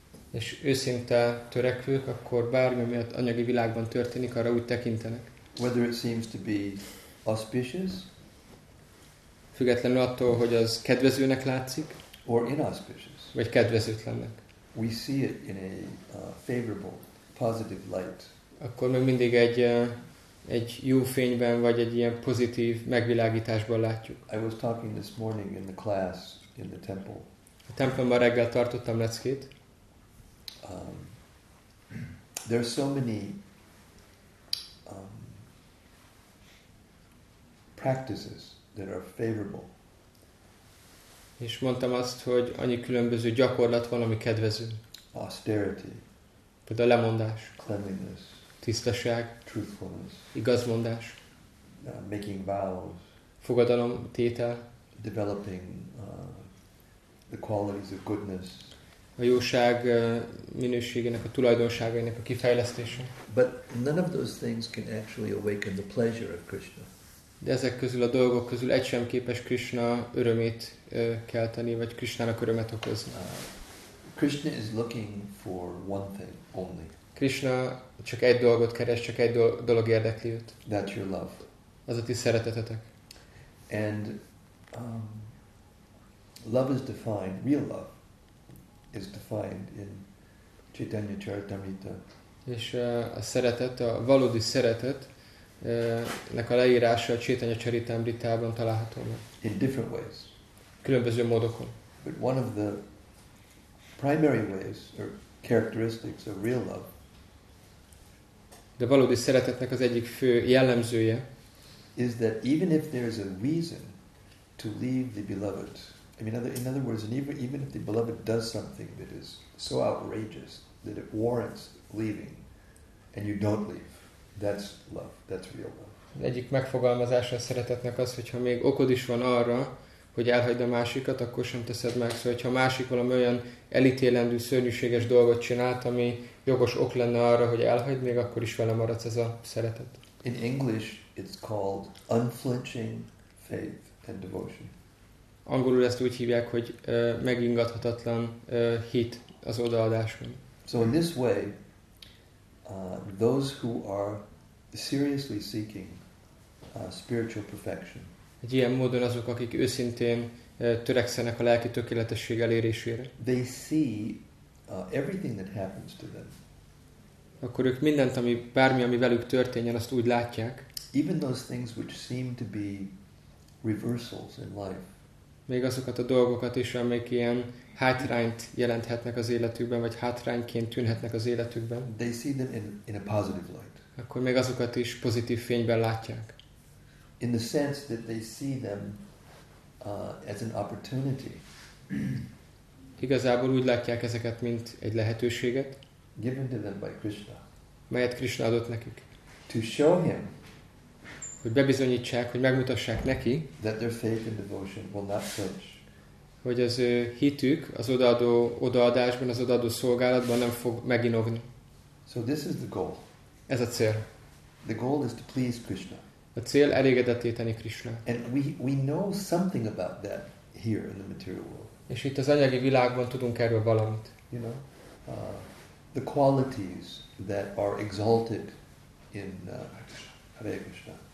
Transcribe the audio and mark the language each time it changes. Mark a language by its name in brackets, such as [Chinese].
[Hungarian] És őszinte törekvők, akkor bármi, ami az anyagi világban történik, arra úgy tekintenek. [English] Whether it seems to be auspicious, [Hungarian] függetlenül attól, hogy az kedvezőnek látszik, [English] or inauspicious, [Hungarian] vagy kedvezőtlennek. [English] We see it in a favorable, positive light. [Hungarian] Akkor még mindig egy jó fényben, vagy egy ilyen pozitív megvilágításban látjuk. [English] I was talking this morning in the class in the temple. [Hungarian] A templomban reggel tartottam leckét. [English] There are so many practices that are favorable. [Hungarian] És mondtam azt, hogy annyi különböző gyakorlat van, ami kedvező. [English] Austerity. [Hungarian] Például a lemondás. [English] Cleanliness. [Hungarian] Tisztaság. [English] Truthfulness. [Hungarian] Igazmondás. [English] Making vows. [Hungarian] Fogadalom, tétel. [English] Developing the qualities of goodness. [Hungarian] A jóság minőségének, a tulajdonságainak a kifejlesztése. [English] But none of those things can actually awaken the pleasure of Krishna. [Hungarian] De ezek közül, a dolgok közül egy sem képes Krishna örömét kelteni, vagy Krishnának örömet okozni. [English] Krishna is looking for one thing only. [Hungarian] Krishna csak egy dolgot keres, csak egy dolog érdekli őt. [English] That's your love. [Hungarian] Az a ti szeretetetek. [English] And love is defined, real love is defined in Chaitanya Charitamrita. [Hungarian] És a szeretet, a valódi szeretet, nek a leírása a Chaitanya Charitamritában található meg. [English] In different ways. [Hungarian] Különböző módokon. [English] But one of the primary ways or characteristics of real love. [Hungarian] De valódi szeretetnek az egyik fő jellemzője [English] is that even if there is a reason to leave the beloved, I mean, in other words, even if the beloved does something that is so outrageous that it warrants leaving, and you don't leave, that's love. That's real love. [Hungarian] Az egyik megfogalmazása a szeretetnek az, hogyha még okod is van arra, hogy elhagyd a másikat, akkor sem teszed meg. Szóval, hogyha a másik valami olyan elítélendő, szörnyűséges dolgot csinált, ami jogos ok lenne arra, hogy elhagyd, még akkor is vele maradsz ez a szeretet. [English] In English, it's called unflinching faith and devotion. [Hungarian] Angolul ezt úgy hívják, hogy megingathatatlan hit az odaadáson. [English] So in this way, those who are seriously seeking spiritual perfection. [Hungarian] Egy ilyen módon azok, akik őszintén törekszenek a lelki tökéletesség elérésére. [English] They see everything that happens to them. [Hungarian] Akkor ők mindent, ami bármi, ami velük történjen, azt úgy látják. [English] Even those things which seem to be reversals in life. [Hungarian] Még azokat a dolgokat is, amik ilyen hátrányt jelenthetnek az életükben, vagy hátrányként tűnhetnek az életükben. [English] They see them in a positive light. [Hungarian] Akkor még azokat is pozitív fényben látják. [English] In the sense that they see them as an opportunity. [Hungarian] Igazából úgy látják ezeket, mint egy lehetőséget. [English] Given to them by Krishna. [Hungarian] Melyet Krishna adott nekik. [English] To show him. [Hungarian] Hogy bebizonyítsák, hogy megmutassák neki. [English] That their faith and devotion will not flinch. [Hungarian] Hogy az ő hitük az odaadásban, az odaadó szolgálatban nem fog meginogni. [English] So this is the goal. [Hungarian] Ez a cél. [English] The goal is to please Krishna. [Hungarian] A cél elégedetté tenni Krishna. [English] And we know something about that here in the material world. [Hungarian] És itt az anyagi világban tudunk erről valamit. [English] You know, the qualities that are exalted in Hare Krishna.